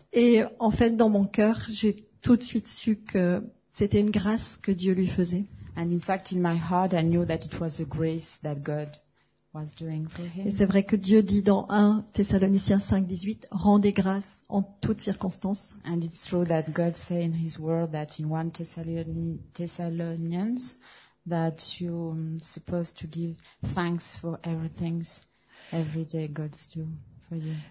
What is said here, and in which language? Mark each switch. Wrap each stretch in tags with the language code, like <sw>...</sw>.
<fr>Et en fait, dans mon cœur, j'ai tout de suite su que c'était une grâce que Dieu lui faisait.</fr> <en>And in fact, in my heart, I knew that it was a grace that God was doing for him.</en> <fr>Et c'est vrai que Dieu dit dans 1 Thessaloniciens 5:18, rendez grâce en toutes circonstances.</fr> <en>And it's true that God says in his word that in 1 Thessalonians that you're supposed to give thanks for everything every day God's do for you.</en>